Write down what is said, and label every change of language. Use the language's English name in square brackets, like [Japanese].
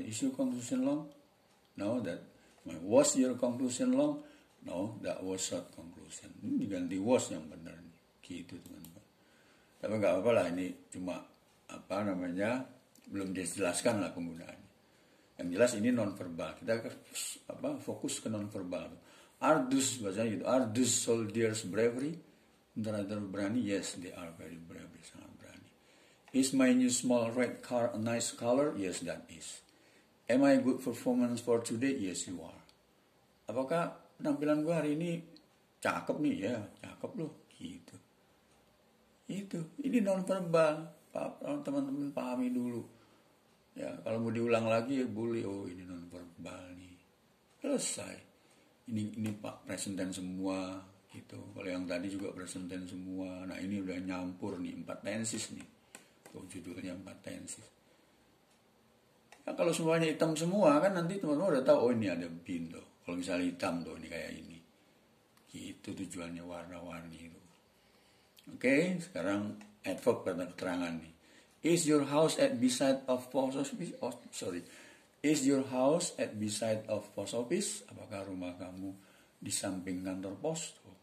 [English] Is your conclusion long? No, that. Was your conclusion long? No, that was short conclusion. [Indonesian] Ini diganti was yang benar. Gitu teman-teman. Tapi gak apa-apa lah, ini cuma apa namanya, belum dijelaskan lah penggunaannya. Yang jelas ini non-verbal. Kita fokus ke non-verbal. [English] Are those, [Indonesian] bahasanya gitu, [English] are those soldiers bravery? [Indonesian] Tentara-tentara berani? [English] Yes, they are very bravery. [Indonesian] Sangat berani. [English] Is my new small red car a nice color? Yes, that is. Am I good performance for today? Yes, you are. [Indonesian] Apakah penampilan gue hari ini cakep nih? Ya, cakep loh. Gitu. Itu. Ini non-verbal. Teman-teman pahami dulu. Ya, kalau mau diulang lagi ya boleh. Oh, ini non-verbal nih. Selesai. Ini Pak presenten semua. Gitu. Kalau yang tadi juga presenten semua. Nah, ini udah nyampur nih. Empat tenses nih. Tuh, judulnya empat tenses. Ya, kalau semuanya hitam semua kan nanti teman-teman udah tahu, oh ini ada bin tuh. Kalau misalnya hitam tuh ini kayak ini. Gitu tujuannya warna-warni itu. Oke, sekarang adverb pada keterangan nih. [English] Is your house at beside of post office? Oh, sorry. Is your house at beside of post office? [Indonesian] Apakah rumah kamu di samping kantor pos?